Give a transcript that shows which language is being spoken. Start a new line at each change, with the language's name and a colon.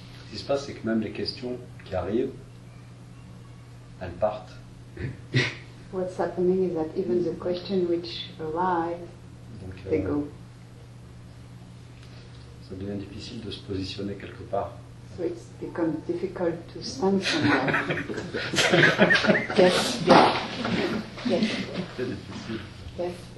French: Ce qui se passe, c'est que même les questions qui arrivent, elles partent.
English: What's happening is that even the questions which arrive,
French: donc,
English: they go.
French: Ça devient difficile de se positionner quelque part.
English: So it's become difficult to stand somewhere. Yes. Yes.
French: C'est difficile.
English: Yes.